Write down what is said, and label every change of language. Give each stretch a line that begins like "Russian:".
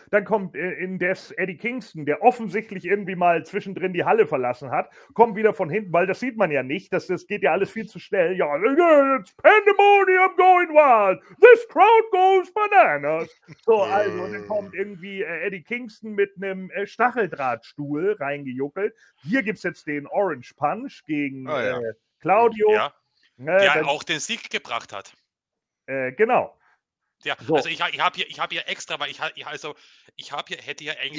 German: Dann kommt indes Eddie Kingston, der offensichtlich irgendwie mal zwischendrin die Halle verlassen hat, kommt wieder von hinten, weil das sieht man ja nicht, das geht ja alles viel zu schnell.
English: Ja, it's pandemonium going wild, this crowd goes bananas.
German: So, also, dann kommt irgendwie Eddie Kingston mit einem Stacheldrahtstuhl reingejuckelt. Hier gibt's jetzt den Orange Punch gegen Claudio. Ja. Der auch den Sieg gebracht hat. Genau. Ja, so. Also ich habe hier extra, weil ich hätte ja eigentlich.